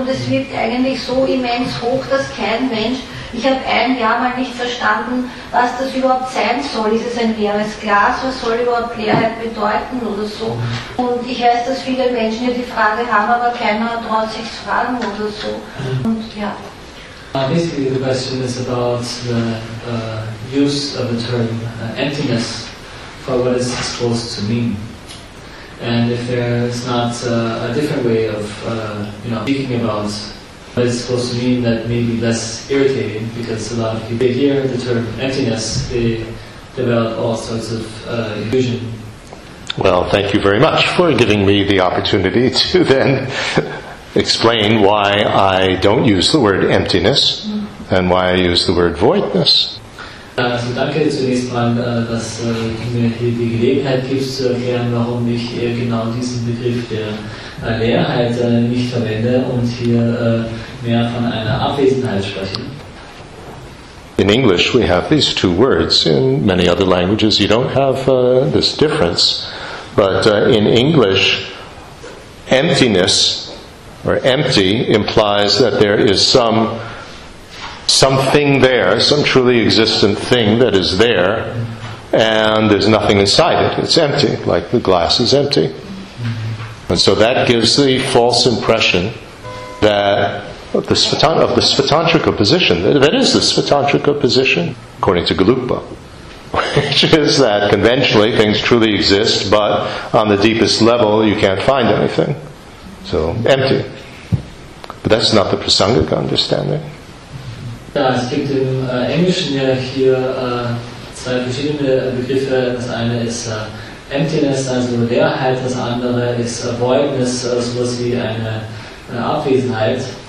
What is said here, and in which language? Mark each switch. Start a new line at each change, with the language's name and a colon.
German: Und es wirkt eigentlich so immens hoch, dass kein Mensch. Ich habe ein Jahr mal nicht verstanden, was das überhaupt sein soll. Ist es ein leeres Glas? Was soll überhaupt Leerheit bedeuten oder so? Und ich weiß, dass viele Menschen ja die Frage haben, aber keiner traut sich zu fragen oder so. Und ja.
English: Basically, the question is about the use of the term emptiness for what it's supposed to mean. And if there is not a different way of speaking about what it's supposed to mean, that may be less irritating, because a lot of people hear the term emptiness, they develop all sorts of illusion. Well, thank you very much for giving me the opportunity to then explain why I don't use the word emptiness and why I use the word voidness.
German: Also danke zunächst mal, dass du mir hier die Gelegenheit gibst zu erklären, warum ich genau diesen Begriff der Leerheit nicht verwende und hier mehr von einer Abwesenheit spreche.
English: In English we have these two words. In many other languages you don't have this difference. But in English, emptiness or empty implies that there is something there, some truly existent thing that is there, and there's nothing inside it. It's empty, like the glass is empty. And so that gives the false impression that of the Svatantrika position, that is the Svatantrika position, according to Galupa, which is that conventionally things truly exist, but on the deepest level you can't find anything. So, empty. But that's not the prasangika understanding.
German: Ja, es gibt im Englischen ja hier zwei verschiedene Begriffe. Das eine ist Emptiness, also Leerheit. Das andere ist Voidness, sowas wie eine Abwesenheit.